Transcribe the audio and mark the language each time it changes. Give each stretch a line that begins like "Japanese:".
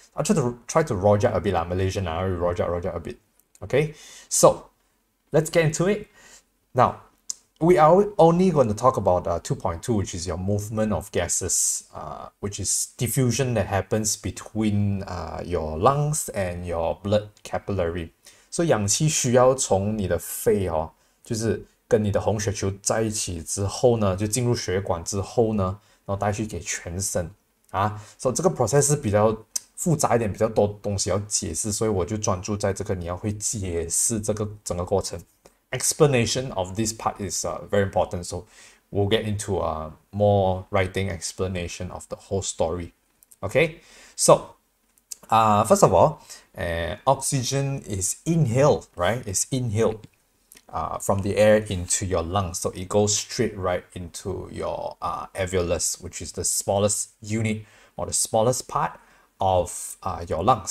English: I'll try to rojak a bit lah, Malaysian lah, rojak a bit. Okay, so let's get into it. Now, we are only going to talk about 2.2, which is your movement of gases, which is diffusion that happens between your lungs and your blood capillary.
Chinese: So, 氧气需要从你的肺哦，就是跟你的红血球在一起之后呢，就进入血管之后呢，然后带去给全身啊。 So, 这个 process 是比较复杂一点，比较多东西要解释，所以我就专注在这个，你要会解释这个整个过程。
English: Explanation of this part is very important, so we'll get into a more writing explanation of the whole story. Okay, so first of all, oxygen is inhaled, right? It's inhaled from the air into your lungs, so it goes straight right into your alveolus, which is the smallest unit or the smallest part of your lungs.